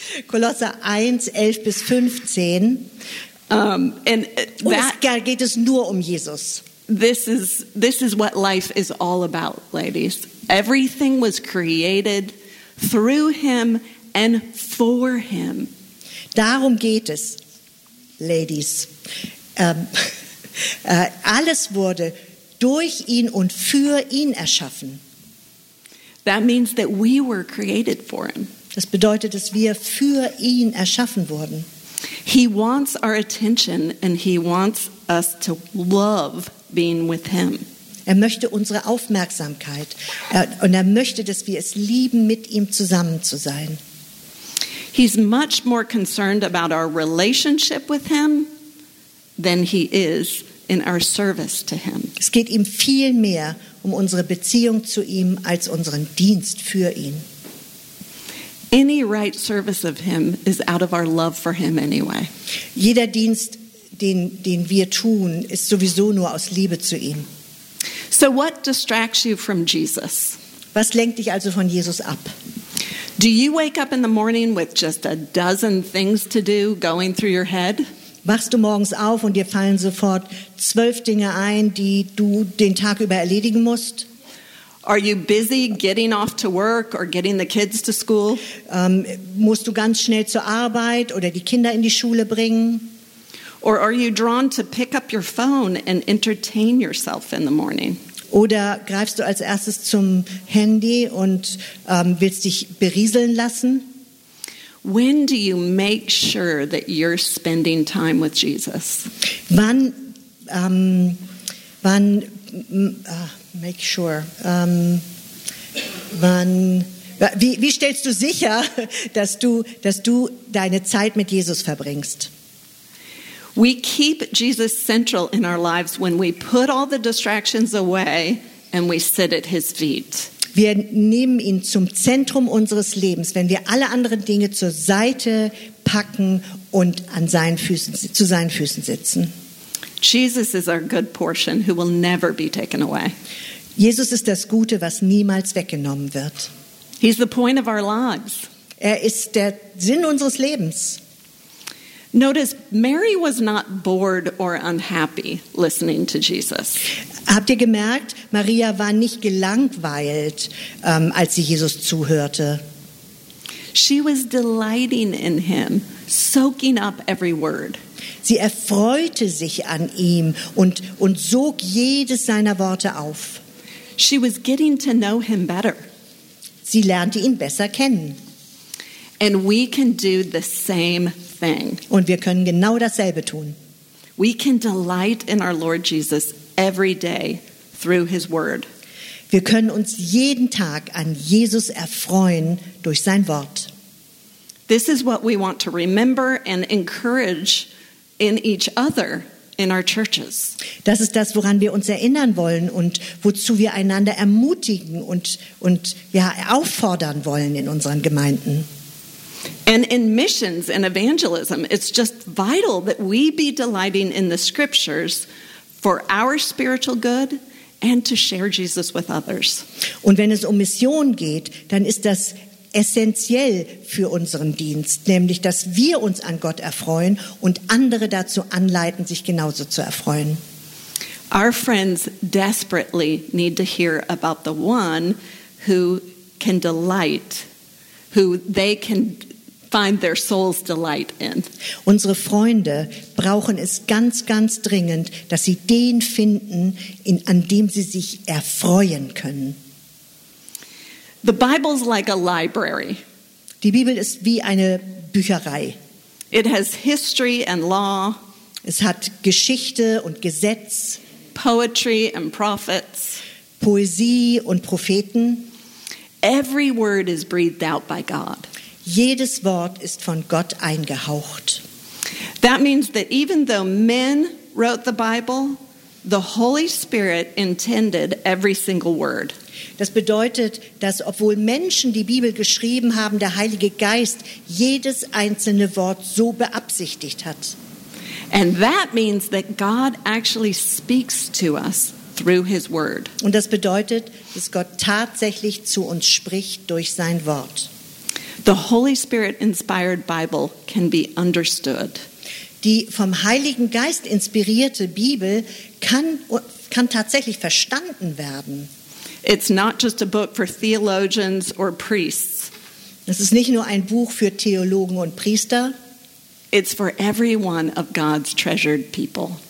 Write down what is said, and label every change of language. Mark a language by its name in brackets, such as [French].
[German] Kolosser 1, 11 bis 15. Und geht es nur um Jesus. [English] This is what life is all about, ladies. Everything was created through him and for him. [German] Darum geht es, Ladies. Alles wurde durch ihn und für ihn erschaffen. [English] That means that we were created for him. [German] Das bedeutet, dass wir für ihn erschaffen wurden. [English] He wants our attention and he wants us to love being with him. [German] Er möchte unsere Aufmerksamkeit und er möchte, dass wir es lieben, mit ihm zusammen zu sein. [English] He's much more concerned about our relationship with him than he is in our service to him. [German] Es geht ihm viel mehr um unsere Beziehung zu ihm als unseren Dienst für ihn. [English] Any right service of him is out of our love for him anyway. [German] Jeder Dienst, den wir tun, ist sowieso nur aus Liebe zu ihm. [English] So what distracts you from Jesus? [German] Was lenkt dich also von Jesus ab? [English] Do you wake up in the morning with just a dozen things to do going through your head? [German] Wachst du morgens auf und dir fallen sofort 12 Dinge ein, die du den Tag über erledigen musst? [English] Are you busy getting off to work or getting the kids to school? [German] Musst du ganz schnell zur Arbeit oder die Kinder in die Schule bringen? [English] Or are you drawn to pick up your phone and entertain yourself in the morning? [German] Oder greifst du als erstes zum Handy und willst dich berieseln lassen? [English] When do you make sure that you're spending time with Jesus? [German] Wann [English] make sure [German] Wie stellst du sicher, dass du deine Zeit mit Jesus verbringst? [English] We keep Jesus central in our lives when we put all the distractions away and we sit at his feet. [German] Wir nehmen ihn zum Zentrum unseres Lebens, wenn wir alle anderen Dinge zur Seite packen und zu seinen Füßen sitzen. [English] Jesus is our good portion who will never be taken away. [German] Jesus ist das Gute, was niemals weggenommen wird. [English] He's the point of our lives. [German] Er ist der Sinn unseres Lebens. [English] Notice Mary was not bored or unhappy listening to Jesus. [German] Habt ihr gemerkt, Maria war nicht gelangweilt, als sie Jesus zuhörte. [English] She was delighting in him, soaking up every word. [German] Sie erfreute sich an ihm und sog jedes seiner Worte auf. [English] She was getting to know him better. [German] Sie lernte ihn besser kennen. [English] And we can do the same thing. [German] Und wir können genau dasselbe tun. [English] We can delight in our Lord Jesus every day through his word. [German] Wir können uns jeden Tag an Jesus erfreuen durch sein Wort. [English] This is what we want to remember and encourage in each other in our churches. [German] Das ist das, woran wir uns erinnern wollen und wozu wir einander ermutigen und auffordern wollen in unseren Gemeinden. [English] And in missions and evangelism, it's just vital that we be delighting in the scriptures for our spiritual good and to share Jesus with others. [German] Und wenn es um Mission geht, dann ist das essentiell für unseren Dienst, nämlich dass wir uns an Gott erfreuen und andere dazu anleiten, sich genauso zu erfreuen. [English] Our friends desperately need to hear about the one who can delight, who they can find their soul's delight in. [German] Unsere Freunde brauchen es ganz, ganz dringend, dass sie den finden, an dem sie sich erfreuen können. [English] The Bible's like a library. [German] Die Bibel ist wie eine Bücherei. [English] It has history and law. [German] Es hat Geschichte und Gesetz. [English] Poetry and prophets. [German] Poesie und Propheten. [English] Every word is breathed out by God. [German] Jedes Wort ist von Gott eingehaucht. [English] That means that even though men wrote the Bible, the Holy Spirit intended every single word. [German] Das bedeutet, dass obwohl Menschen die Bibel geschrieben haben, der Heilige Geist jedes einzelne Wort so beabsichtigt hat. [English] And that means that God actually speaks to us through his word. [German] Und das bedeutet, dass Gott tatsächlich zu uns spricht durch sein Wort. [English] The Holy Spirit inspired Bible can be understood. [German] Die vom Heiligen Geist inspirierte Bibel kann tatsächlich verstanden werden. [English] It's not just a book for theologians or priests. [German] Es ist nicht nur ein Buch für Theologen und Priester. [English] It's for every one of God's treasured people.